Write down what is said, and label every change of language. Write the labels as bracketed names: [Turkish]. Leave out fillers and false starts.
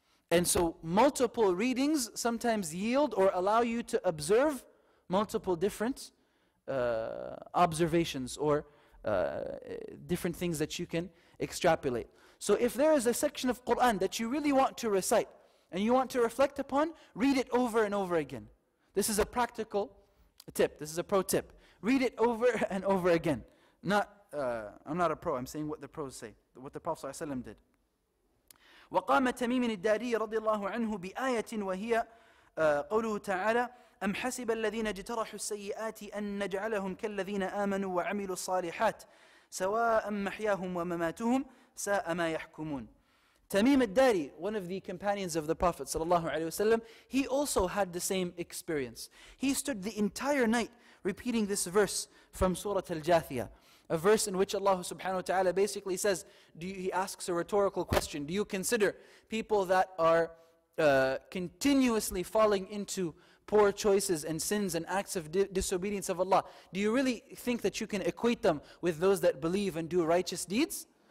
[English] And so multiple readings sometimes yield or allow you to observe multiple different observations or different things that you can extrapolate. So if there is a section of Qur'an that you really want to recite, and you want to reflect upon, read it over and over again. This is a practical tip. This is a pro tip. Read it over and over again. I'm not a pro. I'm saying what the pros say, what the Prophet ﷺ did. [Arabic] وقام تميم الداري رضي الله عنه بآية وهي قوله تعالى أم حسب الذين اجترحوا السيئات أن نجعلهم كالذين آمنوا وعملوا الصالحات سواء محياهم ومماتهم ساء ما يحكمون. [English] Tamim al-Dari, one of the companions of the Prophet sallallahu alaihi wasallam, he also had the same experience. He stood the entire night repeating this verse from Surah Al-Jathiyah, a verse in which Allah subhanahu wa ta'ala basically says, he asks a rhetorical question, do you consider people that are continuously falling into poor choices and sins and acts of disobedience of Allah, do you really think that you can equate them with those that believe and do righteous deeds?